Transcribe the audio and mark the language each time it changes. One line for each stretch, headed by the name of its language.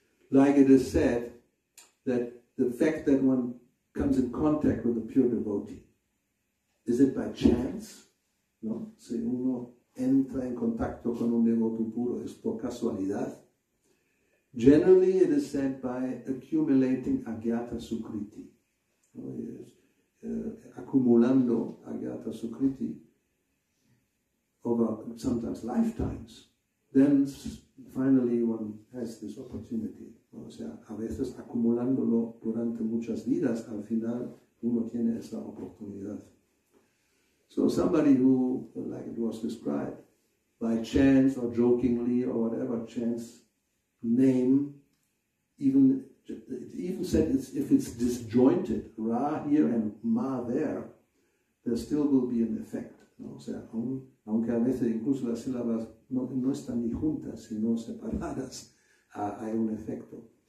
English: Like it is said that the fact that one comes in contact with a pure devotee, is it by chance? No?
Spanish: Si uno entra en contacto con un devoto puro, es por casualidad.
English: Generally, it is said by accumulating agyata sukriti. No? Acumulando agyata sukriti over sometimes lifetimes, then finally one has this opportunity.
Spanish: O sea, a veces acumulándolo durante muchas vidas, al final uno tiene esa oportunidad.
English: So somebody who, like it was described, by chance or jokingly or whatever chance name, even said it's, if it's disjointed, Ra here and Ma there, there still will be an effect.
Spanish: ¿No? O sea, aunque a veces incluso las sílabas no están ni juntas, sino separadas, hay un efecto.